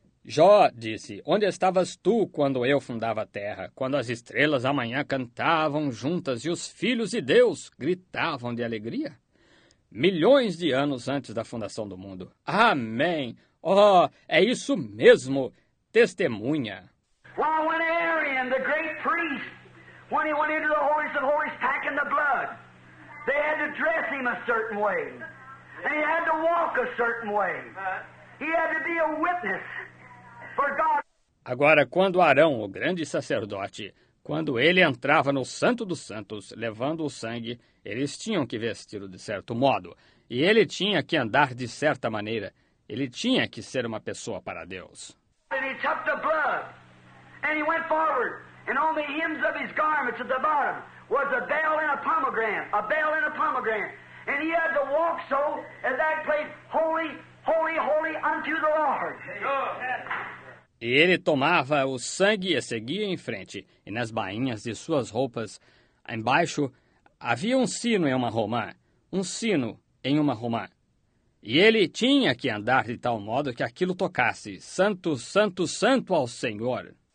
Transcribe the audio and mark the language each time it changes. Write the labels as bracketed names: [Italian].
[Portuguese] Jó disse, onde estavas tu quando eu fundava a terra, quando as estrelas amanhã cantavam juntas e os filhos de Deus gritavam de alegria? Milhões de anos antes da fundação do mundo. Amém. Oh, é isso mesmo. Testemunha. [English] Well, when Aaron, the great priest, when he went into the holies of holies, packing the blood, they had to dress him a certain way. And he had to walk a certain way. He had to be a witness for God. [Portuguese] Agora, quando Arão, o grande sacerdote, quando ele entrava no Santo dos Santos, levando o sangue, eles tinham que vestir-o de certo modo. E ele tinha que andar de certa maneira. Ele tinha que ser uma pessoa para Deus. [English] And he took the blood. And he went forward. And on the hems of his garments at the bottom was a bell and a pomegranate, a bell and a pomegranate. And he had to walk so at that place, holy, holy, holy unto the Lord. [Portuguese] E ele tomava o sangue e seguia em frente, e nas bainhas de suas roupas, embaixo, havia um sino em uma romã, um sino em uma romã. E ele tinha que andar de tal modo que aquilo tocasse, santo, santo, santo ao Senhor.